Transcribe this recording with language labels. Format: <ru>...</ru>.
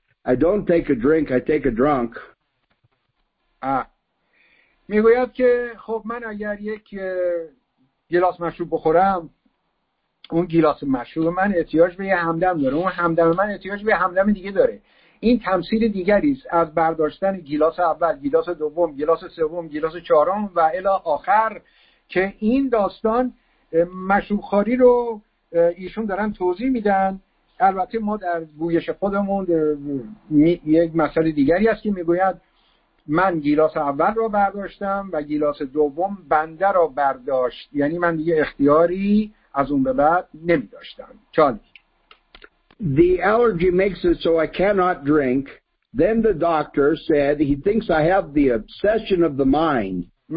<en>I don't take a drink, I take a drunk.</en> <fa>میگوید که خب من اگر یک گلاس مشروب بخورم اون گیلاس مشروب من احتیاج به یه همدم داره، اون همدم من احتیاج به همدم دیگه داره. این تمثیل دیگری است از برداشتن گیلاس اول، گیلاس دوم، گیلاس سوم، گیلاس چهارم و الی آخر، که این داستان مشروبخواری رو ایشون دارن توضیح میدن. البته ما در بویش خودمون یک مسئله دیگری است که میگوید من گیلاس اول را برداشتم و گیلاس دوم بنده را برداشت، یعنی من دیگه اختیاری از اون به بعد نمی داشتم.</fa> <en>چالی. The allergy makes it so I cannot drink. Then the doctor said he thinks I have the obsession of the mind.</en>